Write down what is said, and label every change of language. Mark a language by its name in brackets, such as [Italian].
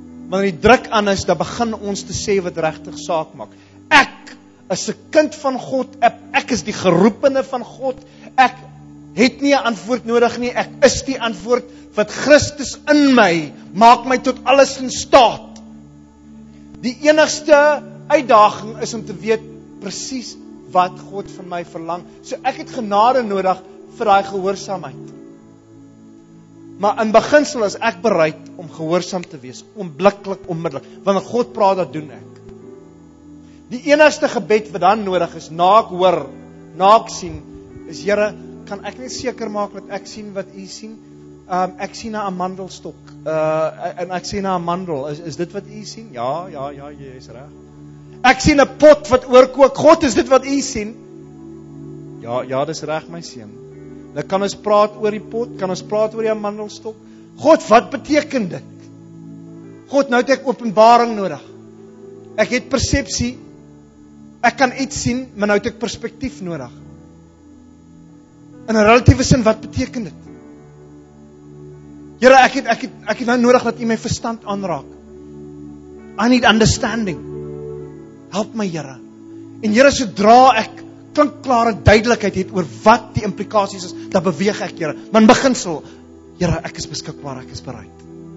[Afrikaans] Wanneer die druk aan is, dan begin ons te sê wat regtig saak maak. Ek is 'n kind van God, ek is die geroepene van God. Ek het nie 'n antwoord nodig nie, ek is die antwoord wat Christus in my maak my tot alles in staat. Die enigste uitdaging is om te weet presies wat God van my verlang. So ek het genade nodig vir daai gehoorsaamheid. Maar in beginsel is ek bereid om gehoorsaam te wees, onmiddellik, onmiddellik. Wanneer God praat, dat doen ek. Die enigste gebed wat dan nodig is, na ek hoor, na ek sien, is Here, kan ek net seker maak dat ek sien wat u sien? Ek sien na 'n amandelstok. En ek sien na 'n amandel. Is dit wat u sien? Ja, jy is reg. Ek sien 'n pot wat oorkook. God, is dit wat u sien? Ja, dis reg my seun. Nou kan ons praat oor die pot, kan ons praat oor die amandelstok. God, wat beteken dit? God, nou het ek openbaring nodig. Ek het persepsie. Ek kan iets sien, maar nou het ek perspektief nodig. In 'n relatiewe sin, wat beteken dit? Here, ek het nou nodig dat u my verstand aanraak. [English] I need understanding. [Afrikaans] Help my, Here. En Here, sodra ek klinkklare duidelikheid het oor wat die implikasies is, dan beweeg ek, Here. Maar in beginsel, Here, ek is beskikbaar, ek is bereid.